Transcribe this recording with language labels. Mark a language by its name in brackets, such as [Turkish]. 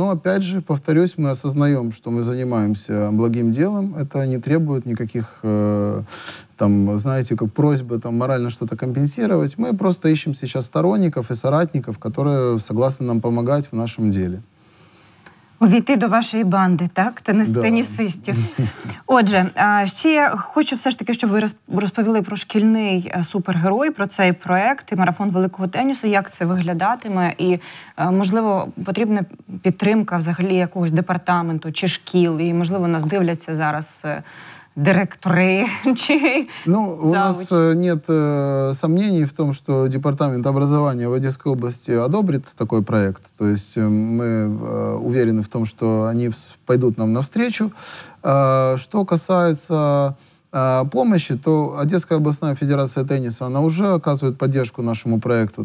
[Russian] Но, опять же, повторюсь, мы осознаем, что мы занимаемся благим делом. Это не требует никаких, там, знаете, как просьбы там, морально что-то компенсировать. Мы просто ищем сейчас сторонников и соратников, которые согласны нам помогать в нашем деле. [Ukrainian] Увійти до вашої банди, так? Та не з тенісистів. Отже, ще я хочу все ж таки, щоб ви розповіли про шкільний супергерой, про цей проєкт і марафон великого тенісу, як це виглядатиме, і, можливо, потрібна підтримка взагалі якогось департаменту чи шкіл, і, можливо, нас дивляться зараз директори. [Russian] Ну, у нас нет сомнений в том, что департамент образования в Одесской области одобрит такой проект. То есть мы уверены в том, что они пойдут нам навстречу. Что касается помощи, то Одесская областная федерация тенниса, она уже оказывает поддержку нашему проекту.